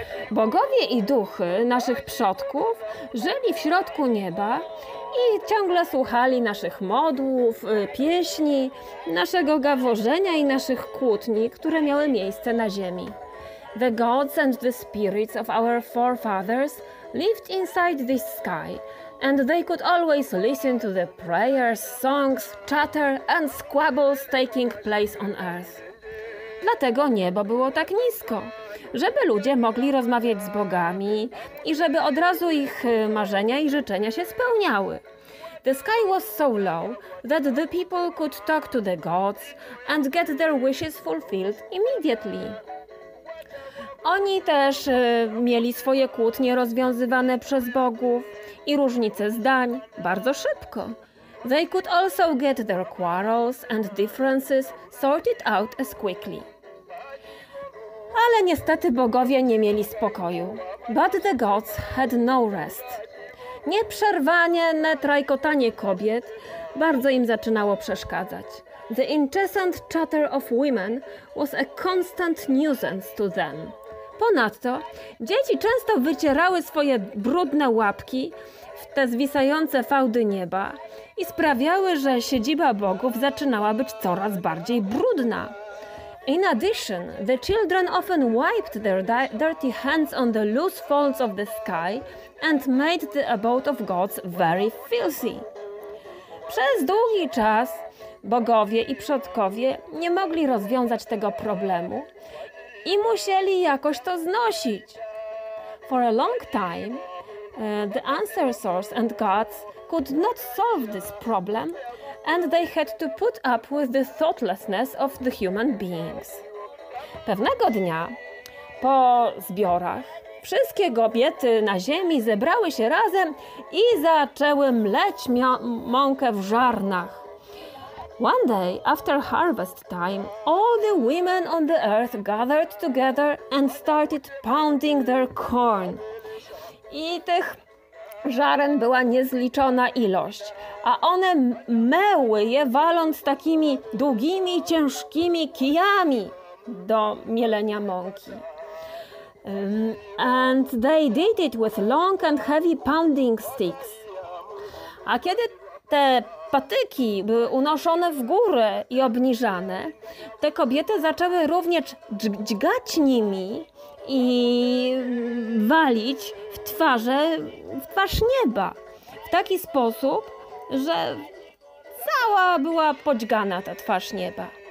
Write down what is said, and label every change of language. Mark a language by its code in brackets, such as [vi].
[pl] Bogowie i duchy naszych przodków żyli w środku nieba i ciągle słuchali naszych modłów, pieśni, naszego gaworzenia i naszych kłótni, które miały miejsce na ziemi. [en] The gods and the spirits of our forefathers lived inside this sky, and they could always listen to the prayers, songs, chatter and squabbles taking place on earth. [pl] Dlatego niebo było tak nisko, żeby ludzie mogli rozmawiać z bogami i żeby od razu ich marzenia i życzenia się spełniały. [en] The sky was so low that the people could talk to the gods and get their wishes fulfilled immediately. [pl] Oni też mieli swoje kłótnie rozwiązywane przez bogów i różnice zdań bardzo szybko. [en] They could also get their quarrels and differences sorted out as quickly. [pl] Ale niestety bogowie nie mieli spokoju. [en] But the gods had no rest. [pl] Nieprzerwanie netrajkotanie kobiet bardzo im zaczynało przeszkadzać. [en] The incessant chatter of women was a constant nuisance to them. [pl] Ponadto dzieci często wycierały swoje brudne łapki w te zwisające fałdy nieba i sprawiały, że siedziba bogów zaczynała być coraz bardziej brudna. [en] In addition, the children often wiped their dirty hands on the loose folds of the sky and made the abode of gods very filthy. [pl] Przez długi czas bogowie i przodkowie nie mogli rozwiązać tego problemu i musieli jakoś to znosić. [en] For a long time, the ancestors and gods could not solve this problem, and they had to put up with the thoughtlessness of the human beings. [pl] Pewnego dnia, po zbiorach, wszystkie kobiety na ziemi zebrały się razem i zaczęły mleć mąkę w żarnach. [en] One day, after harvest time, all the women on the earth gathered together and started pounding their corn. [pl] I tych żaren była niezliczona ilość, a one meły je, waląc takimi długimi, ciężkimi kijami do mielenia mąki. [en] And they did it with long and heavy pounding sticks. [pl] A kiedy te patyki były unoszone w górę i obniżane, te kobiety zaczęły również dźgać nimi i walić w twarz nieba. W taki sposób, że cała była podźgana ta twarz nieba.